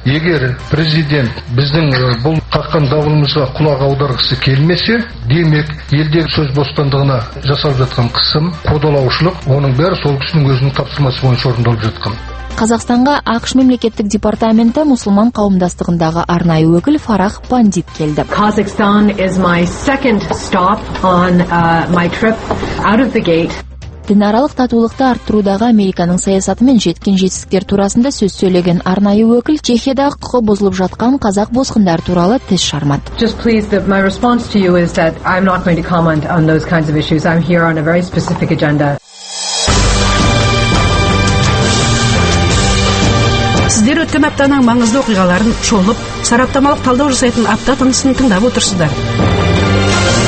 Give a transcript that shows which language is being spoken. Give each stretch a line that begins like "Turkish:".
Kazakh: Егер президент біздің бұл қаққан дауылымызға құлақ аударғысы келмесе, демек елдегі сөз бостандығына жасалып жатқан қысым, қудалаушылық, оның бәрі сол кісінің өзінің тапсырмасы бойынша орындалып жатқан. Қазақстанға АҚШ мемлекеттік департаменті мұсылман қауымдастығындағы арнайы өкіл Фарах Пандит келді.
English: Kazakhstan is my second stop on my trip out of the gate.
Kazakh: Дінаралық татулықты арттырудағы Американың саясатымен жеткен жетістіктер турасында сөз сөйлеген арнайы өкіл Чехияда құқы бұзылып жатқан қазақ босқындар туралы тіс жармады.
English: Just please that my response to you is that I'm not going to comment on those kinds of issues. I'm here on a very specific agenda.
Kazakh: Сіздер өткен аптаның маңызды оқиғаларын шолып, сараптамалық талдау жасайтын апта тынысын тыңдап отырсыздар.